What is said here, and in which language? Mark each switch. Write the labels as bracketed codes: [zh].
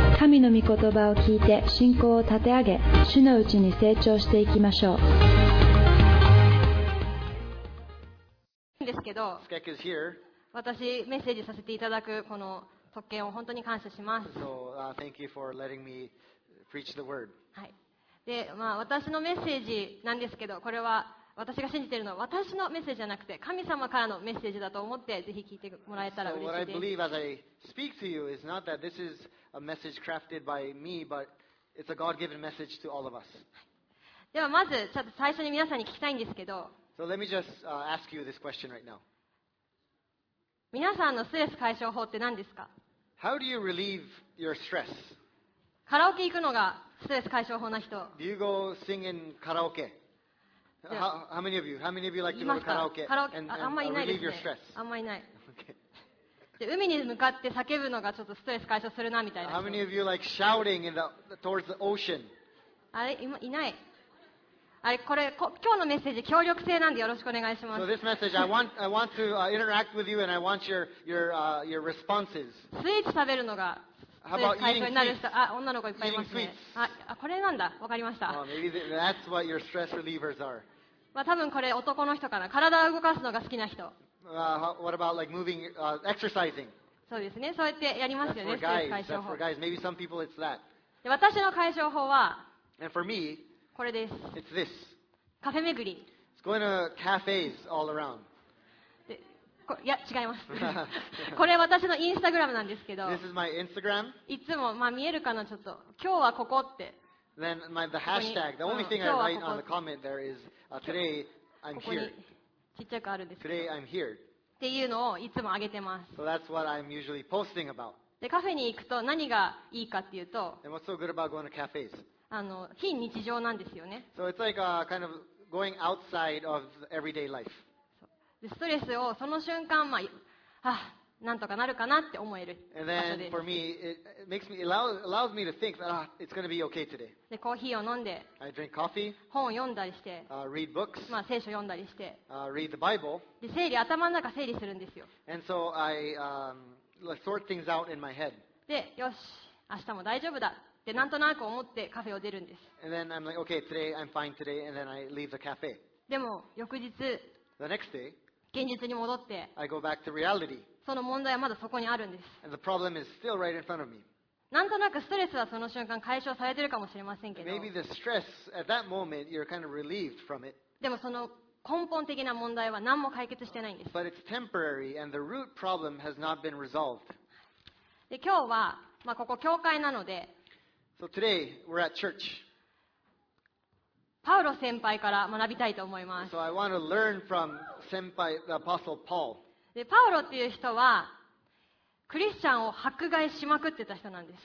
[ja] 神の御言葉を聞いて信仰を立て上げ、主のうちに成長していきましょう。ですけど、 [en] Skek is here. [ja] 私、メッセージさせていただくこの特権を本当に感謝します。 [en] So, thank you for letting me preach the word. [ja] はい。で、まあ、私のメッセージなんですけど、これは私が信じているのは私のメッセージじゃなくて神様からのメッセージだと思ってぜひ聞いてもらえたら嬉しいです。 [en] So what I believe as I speak to you is not that this is a message crafted by me, but it's a God-given message to all of us. [ja] ではまずちょっと最初に皆さんに聞きたいんですけど、 [en] So let me just ask you this question right now. [ja] 皆さんのストレス解消法って何ですか？ [en] How do you relieve your stress? [ja] カラオケ行くのがストレス解消法な人。 [en] Do you go sing in karaoke? How many of you? How many of you like to go to karaoke? And relieve your stress? [ja] あんまいない。 [en] Okay. [ja] 海に向かって叫ぶのがちょっとストレス解消するなみたいな。 [en] How many of you like shouting in the towards the ocean? [ja] あれ、いない。あれ、これ、今日のメッセージ、協力性なんでよろしくお願いします。 [en] So this message, I want to interact with you and I want your responses. [ja] スイーツ食べるのが。 [en] How about eating sweets? [ja] あ、女の子いっぱいいますね。あ、これなんだ。わかりました。 [en] Oh, maybe that's what your stress relievers are. [ja] まあ、多分これ男の人かな。体を動かすのが好きな人。 [en] What about like moving, exercising? [ja] そうですね。そうやってやりますよね。 [en] That's for guys. That's for guys. Maybe some people it's that. [ja] で、私の解消法は、 [en] And for me, [ja] これです。 [en] It's this. [ja] カフェ巡り。 [en] It's going to cafes all around. [ja] いや、違います。これ私のインスタグラムなんですけど、 [en] This is my Instagram. [ja] いつも、まあ、見えるかな、ちょっと今日はここって。 [en] Then my, the hashtag, the only thing I write on the comment there is, today I'm here. [ja] ここにちっちゃくあるんですけど。 [en] Today I'm here. [ja] っていうのをいつも上げてます。 [en] So that's what I'm usually posting about. [ja] で、カフェに行くと何がいいかっていうと、 [en] And what's so good about going to cafes? [ja] あの、非日常なんですよね。 [en] So it's like a kind of going outside of everyday life. [ja] ストレスをその瞬間、まあ、あ、なんとかなるかなって思える場所です。 [en] And then for me, it makes me, allows me to think that, it's going to be okay today. [ja] で、コーヒーを飲んで、 [en] I drink coffee. [ja] 本を読んだりして、 [en] read books. [ja] まあ、聖書を読んだりして、 [en] read the Bible. [ja] で、整理、頭の中整理するんですよ。 [en] And so I, sort things out in my head. [ja] で、よし、明日も大丈夫だってなんとなく思ってカフェを出るんです。 [en] And then I'm like, okay, today I'm fine today, and then I leave the cafe. [ja] でも、翌日、 [en] The next day, [ja] 現実に戻って [en] I go back to reality. [ja] その問題はまだそこにあるんです。 [en] And the problem is still right in front of me. [ja] なんとなくストレスはその瞬間解消されてるかもしれませんけど、 [en] Maybe the stress at that moment, you're kind of relieved from it. [ja] でもその根本的な問題は何も解決してないんです。 [en] But it's temporary and the root problem has not been resolved. [ja] で、今日は、まあ、ここ教会なので、 [en] So today, we're at church. [ja] パウロ先輩から学びたいと思います。 [en] So I want to learn from 先輩、the apostle Paul. [ja] で、パウロっていう人はクリスチャンを迫害しまくってた人なんです。